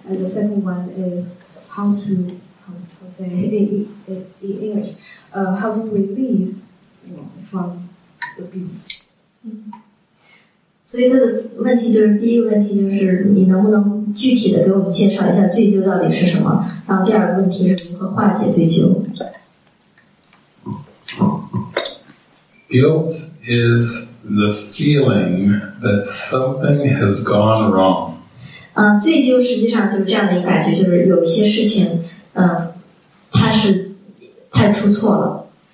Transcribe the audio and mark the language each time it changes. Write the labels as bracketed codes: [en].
[en] And the second one is how to release from the beauty. [zh] 所以他的问题就是，第一个问题就是你能不能具体的给我们介绍一下罪疚到底是什么？然后第二个问题是如何化解罪疚 [en] ？Guilt is the feeling that something has gone wrong. [zh] 罪疚实际上就是这样的一个感觉，就是有一些事情，它出错了。